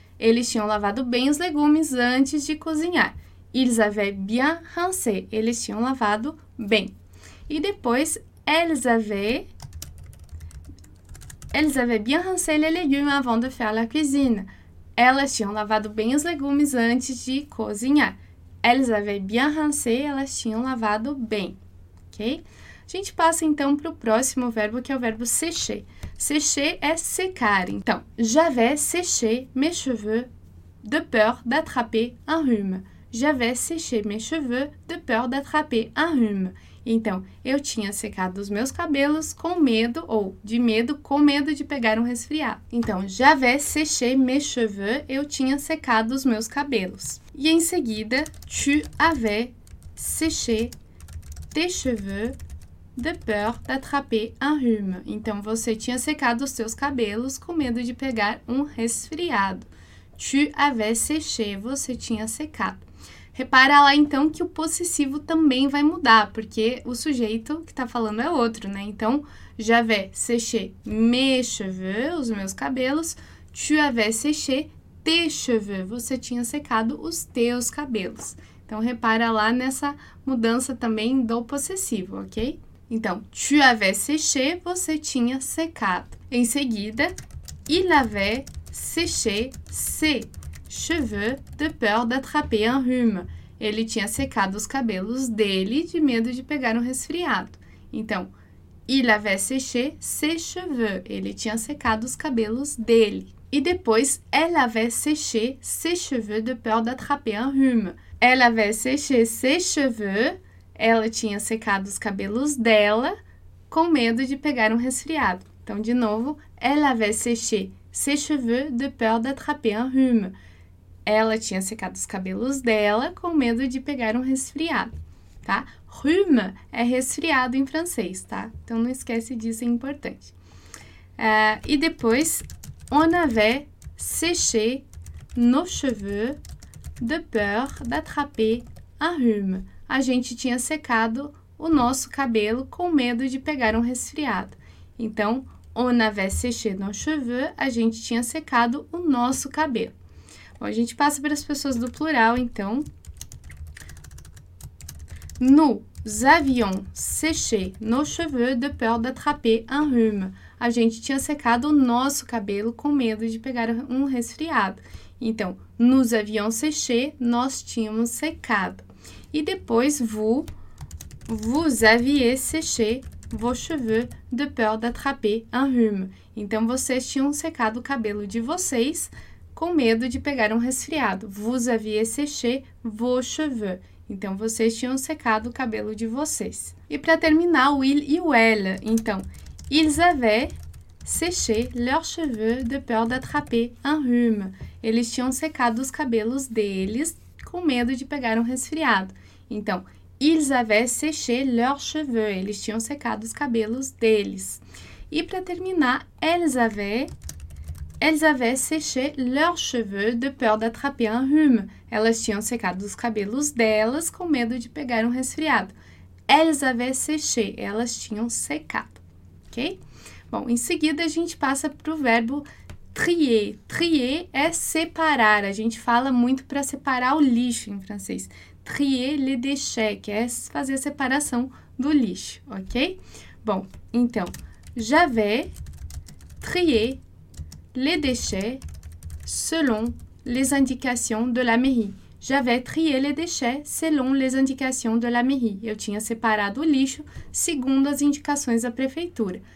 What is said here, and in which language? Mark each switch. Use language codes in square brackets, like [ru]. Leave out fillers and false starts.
[pt] Eles tinham lavado bem os legumes antes de cozinhar. [fr] Ils avaient bien rincé. [pt] Eles tinham lavado bem. E depois, [fr] elles avaient bien rincé les légumes avant de faire la cuisine. [pt] Elas tinham lavado bem os legumes antes de cozinhar. [fr] Elles avaient bien rincé. [pt] Elas tinham lavado bem. Ok? A gente passa, então, para o próximo verbo, que é o verbo sécher. Sécher é secar. Então, [fr] j'avais séché mes cheveux de peur d'attraper un rhume. J'avais séché mes cheveux de peur d'attraper un rhume. [pt] Então, eu tinha secado os meus cabelos com medo, ou de medo, com medo de pegar um resfriado. Então, [fr] j'avais séché mes cheveux, [pt] eu tinha secado os meus cabelos. E em seguida, [fr] tu avais séché tes cheveux de peur d'attraper un rhume. [pt] Então, você tinha secado os seus cabelos com medo de pegar um resfriado. [fr] Tu avais séché, [pt] você tinha secado. Repara lá, então, que o possessivo também vai mudar, porque o sujeito que está falando é outro, né? Então, [fr] j'avais séché mes cheveux, [pt] os meus cabelos. [fr] Tu avais séché tes cheveux, [pt] você tinha secado os teus cabelos. Então, repara lá nessa mudança também do possessivo, ok? Então, [fr] tu avais séché, [pt] você tinha secado. Em seguida, [fr] il avait séché ses cheveux de peur d'attraper un rhume. [pt] Ele tinha secado os cabelos dele de medo de pegar um resfriado. Então, [fr] il avait séché ses cheveux. [pt] Ele tinha secado os cabelos dele. E depois, [fr] elle avait séché ses cheveux de peur d'attraper un rhume. Elle avait séché ses cheveux. [pt] Ela tinha secado os cabelos dela com medo de pegar um resfriado. Então, de novo, [fr] elle avait séché ses cheveux de peur d'attraper un rhume. [pt] Ela tinha secado os cabelos dela com medo de pegar um resfriado, tá? Rhume é resfriado em francês, tá? Então, não esquece disso, é importante. E depois, [fr] on avait séché nos cheveux de peur d'attraper un rhume. [pt] A gente tinha secado o nosso cabelo com medo de pegar um resfriado. Então, [fr] on avait séché nos cheveux, [pt] a gente tinha secado o nosso cabelo. Bom, a gente passa para as pessoas do plural, então. [fr] Nous avions séché nos cheveux de peur d'attraper un rhume. [pt] A gente tinha secado o nosso cabelo com medo de pegar um resfriado. Então, [fr] nous avions séché, [pt] nós tínhamos secado. E depois, [fr] vous aviez séché vos cheveux de peur d'attraper un rhume. [pt] Então, vocês tinham secado o cabelo de vocês com medo de pegar um resfriado. [fr] Vous aviez séché vos cheveux. [pt] Então, vocês tinham secado o cabelo de vocês. E para terminar, o il e o elle. Então, [fr] ils avaient séché leurs cheveux de peur d'attraper un rhume. [pt] Eles tinham secado os cabelos deles com medo de pegar um resfriado. Então, [fr] ils avaient séché leurs cheveux. [pt] Eles tinham secado os cabelos deles. E para terminar, [fr] elles avaient séché leurs cheveux de peur d'attraper un rhume. [pt] Elas tinham secado os cabelos delas com medo de pegar um resfriado. [fr] Elles avaient séché. [pt] Elas tinham secado. Ok? Bom, em seguida a gente passa para o verbo trier. Trier é separar. A gente fala muito para separar o lixo em francês. [fr] Trier les déchets, [pt] que é fazer a separação do lixo, ok? Bom, então, [fr] j'avais trié les déchets selon les indications de la mairie. J'avais trié les déchets selon les indications de la mairie. [pt] Eu tinha separado o lixo segundo as indicações da prefeitura.